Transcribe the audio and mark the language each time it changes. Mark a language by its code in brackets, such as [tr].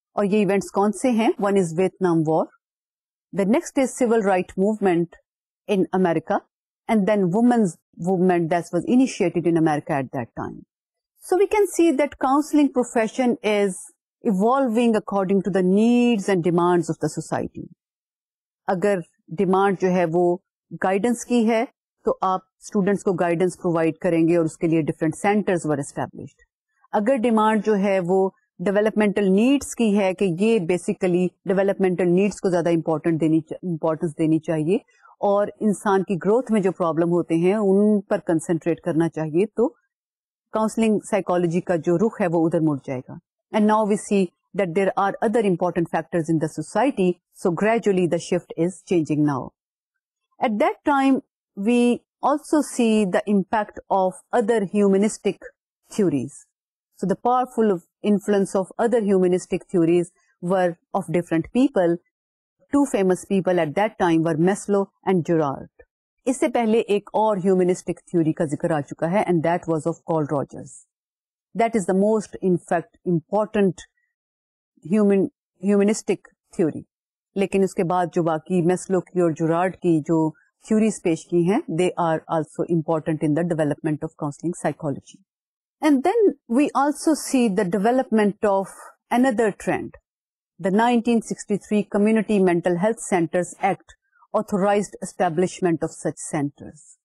[ur] Aur ye events kaun se hain? [en] One is Vietnam War. The next is civil rights movement in America. And then women's movement that was initiated in America at that time. So we can see that counseling profession is evolving according to the needs and demands of the society. [ur] Agar demand jo hai wo guidance ki hai, تو آپ students کو guidance provide کریں گے اور اس کے لیے different centres were established اگر demand جو ہے وہ ڈیولپمنٹل نیڈس کی ہے کہ یہ بیسیکلی ڈیولپمنٹل نیڈس کو زیادہ امپورٹنس دینی چاہیے اور انسان کی گروتھ میں جو پرابلم ہوتے ہیں ان پر کنسنٹریٹ کرنا چاہیے تو کاؤنسلنگ سائیکالوجی کا جو رخ ہے وہ ادھر مڑ جائے گا [en] And now we see that there are other important factors in the society so gradually the shift is changing now at that time We also see the impact of other humanistic theories. So the powerful influence of other humanistic theories were of different people. Two famous people at that time were Maslow and Girard. [ur] Isse pehle ek aur humanistic theory ka zikr aa chuka hai [en] and that was of Carl Rogers. That is the most, in fact, important humanistic theory. [ur] لیکن اس کے بعد جو باقی Maslow کی اور Gerard کی جو theories پیش کی ہیں [en] they are also important in the development of counselling psychology and then we also see the development of another trend the 1963 community mental health centres act authorised establishment of such centres